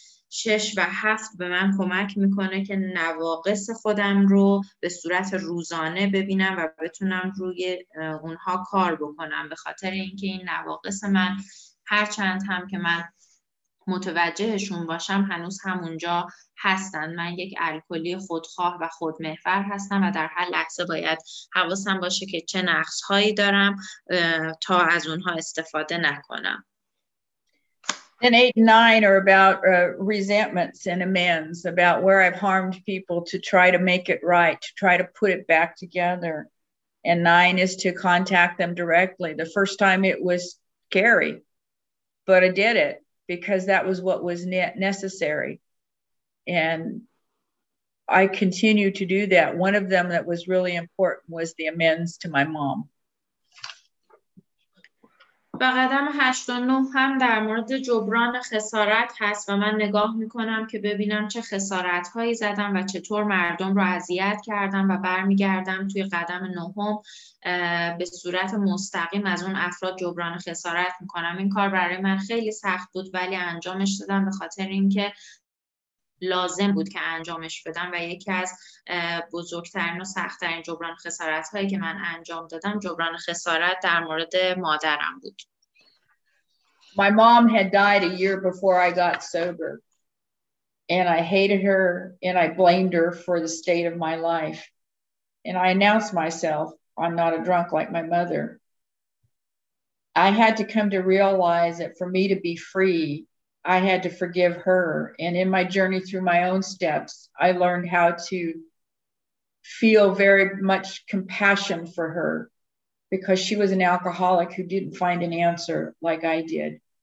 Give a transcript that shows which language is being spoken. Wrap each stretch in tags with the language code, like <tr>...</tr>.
<fa>6 و 7 به من کمک میکنه که نواقص خودم رو به صورت روزانه ببینم و بتونم روی اونها کار بکنم، به خاطر اینکه این نواقص من هر چند هم که من متوجهشون باشم هنوز همونجا هستن. من یک الکلی خودخواه و خودمحور هستم و در هر لحظه باید حواسم باشه که چه نقصهایی دارم تا از اونها استفاده نکنم.</fa> <en>Then 8 and 9 are about resentments and amends, about where I've harmed people to try to make it right, to try to put it back together. And 9 is to contact them directly. The first time it was scary, but I did it because that was what was necessary. And I continue to do that. One of them that was really important was the amends to my mom.</en> <fa>و قدم 8 و 9 هم در مورد جبران خسارت هست و من نگاه میکنم که ببینم چه خسارت هایی زدم و چطور مردم رو اذیت کردم و برمیگردم توی قدم 9 به صورت مستقیم از اون افراد جبران خسارت میکنم. این کار برای من خیلی سخت بود ولی انجامش دادم به خاطر اینکه لازم بود که انجامش بدم و یکی از بزرگترین و سخت‌ترین جبران خسارت‌هایی که من انجام دادم جبران خسارت در مورد مادرم بود.</fa> <en>My mom had died a year before I got sober and I hated her and I blamed her for the state of my life and I announced myself, I'm not a drunk like my mother. I had to come to realize that for me to be free I had to forgive her, and in my journey through my own steps I learned how to feel very much compassion for her because she was an alcoholic who didn't find an answer like I did.</en>